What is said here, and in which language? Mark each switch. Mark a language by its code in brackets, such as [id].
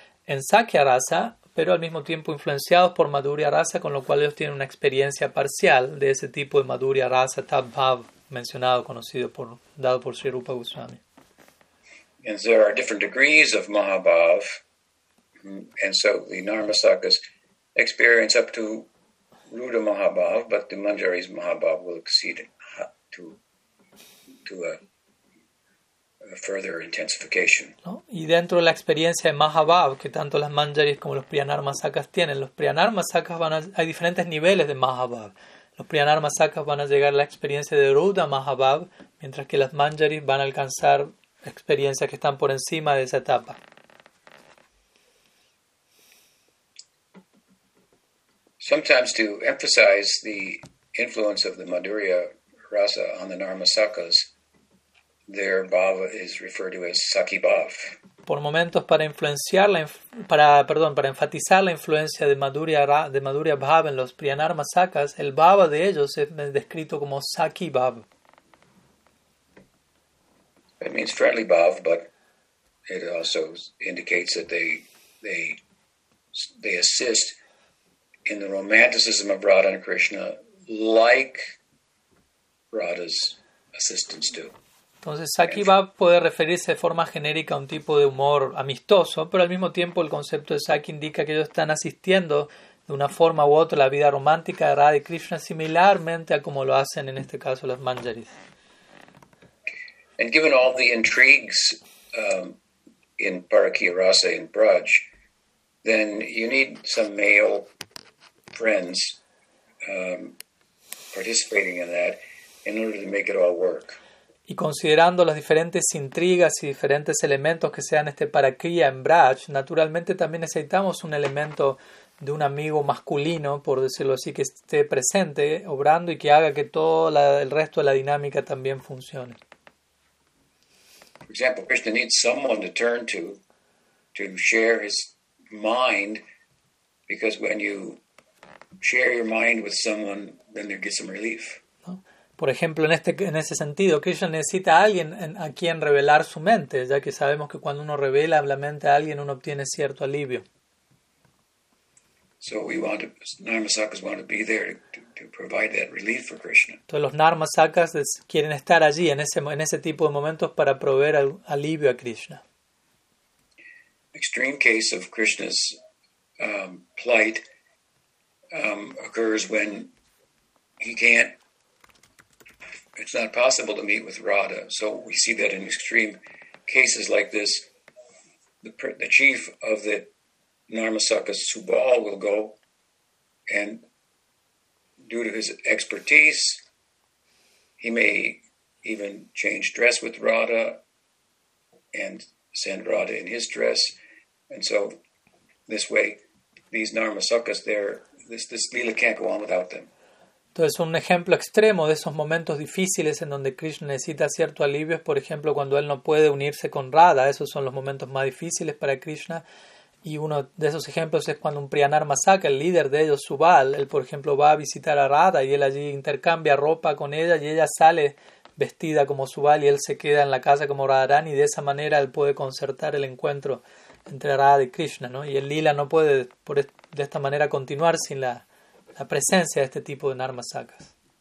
[es] en Sakya Rasa, pero al mismo tiempo influenciados por Madhurya Rasa, con lo cual ellos tienen una experiencia parcial de ese tipo de Madhurya Rasa, Tad Bhav, mencionado, conocido, por, dado por Sri Rupa Goswami. [en] And there are different degrees of Mahabhav, and so the Narmasakas experience up to Ruda Mahabhav, but the Manjari's Mahabhav will exceed to a further intensification. [es] ¿No? Y dentro de la experiencia de Mahabhav que tanto las Manjaris como los Priyanarmasakas tienen, los Priyanarmasakas van a, hay diferentes niveles de Mahabhav. Los Priyanarmasakas van a llegar a la experiencia de Ruda Mahabhav, mientras que las Manjaris van a alcanzar experiencias que están por encima de esa etapa. [en] Sometimes to emphasize the influence of the Madhurya Rasa on the Narmasakas, their bhava is referred to as Sakhi Bhav. [es] Por momentos para influenciar la, para enfatizar la influencia de Madhurya Bhav en los Priyanarmasakas, el bhava de ellos es descrito como Sakhi Bhav. [en] It means friendly bhav, but it also indicates that they assist in the romanticism of Radha and Krishna, like Radha's assistants do. [es] Entonces, Sakhi Bhav puede referirse de forma genérica a un tipo de humor amistoso, pero al mismo tiempo el concepto de Sakhi indica que ellos están asistiendo de una forma u otra a la vida romántica de Radha y Krishna, similarmente a como lo hacen en este caso los Manjaris. [en] And given all the intrigues in Parakya Rasa in Braj, then you need some male friends participating in that in order to make it all work. [es] Y considerando las diferentes intrigas y diferentes elementos que sean este Parakriya en Braj, naturalmente también necesitamos un elemento de un amigo masculino, por decirlo así, que esté presente, obrando y que haga que todo la, el resto de la dinámica también funcione. [en] For example, Krishna needs someone to turn to share his mind, because when you share your mind with someone, then there gets some relief. [es] Por ejemplo, en ese sentido, Krishna necesita a alguien a quien revelar su mente, ya que sabemos que cuando uno revela la mente a alguien, uno obtiene cierto alivio. [en] So we want to, Narmasakas want to be there to provide that relief for Krishna. [es] Entonces los Narmasakas quieren estar allí en ese tipo de momentos para proveer alivio a Krishna. [en] Extreme case of Krishna's plight occurs when he can't. It's not possible to meet with Radha, so we see that in extreme cases like this, the chief of the Narmasakas, Subal, will go, and due to his expertise, he may even change dress with Radha and send Radha in his dress, and so this way, these Narmasakas there, this Leela can't go on without them. [es] Entonces, un ejemplo extremo de esos momentos difíciles en donde Krishna necesita cierto alivio es, por ejemplo, cuando él no puede unirse con Radha. Esos son los momentos más difíciles para Krishna. Y uno de esos ejemplos es cuando un Priyanarmasaka, el líder de ellos, Subal, él, por ejemplo, va a visitar a Radha y él allí intercambia ropa con ella y ella sale vestida como Subal y él se queda en la casa como Radharani. Y de esa manera él puede concertar el encuentro entre Radha y Krishna, ¿no? Y el Lila no puede de esta manera continuar sin la presencia de este tipo de Narmasakas.